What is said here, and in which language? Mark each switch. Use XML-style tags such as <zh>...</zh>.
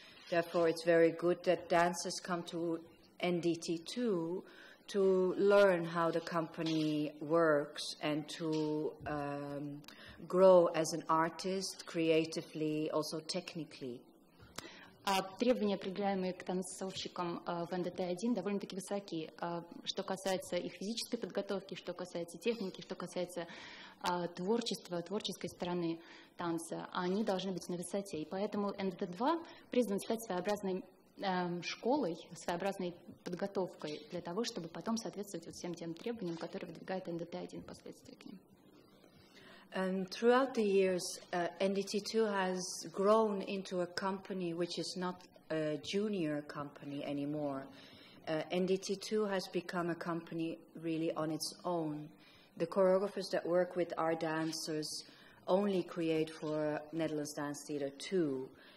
<en>Therefore, it's very good that dancers come to NDT2 to learn how the company works and to grow as an artist creatively, also technically.</en> <ru>Требования, предъявляемые к танцовщикам в НДТ-1, довольно-таки высоки, что касается их физической подготовки, что касается техники, что касается творчества, творческой стороны танца, они должны быть на высоте. И поэтому НДТ-2 призван стать своеобразной школой, своеобразной подготовкой для того, чтобы потом соответствовать вот всем тем требованиям, которые выдвигает НДТ-1 впоследствии к ним.</ru> <en>Throughout the years, NDT2 has grown into a company which is not a junior company anymore. NDT2 has become a company really on its own. The choreographers that work with our dancers only create for Netherlands Dance Theatre 2.</en>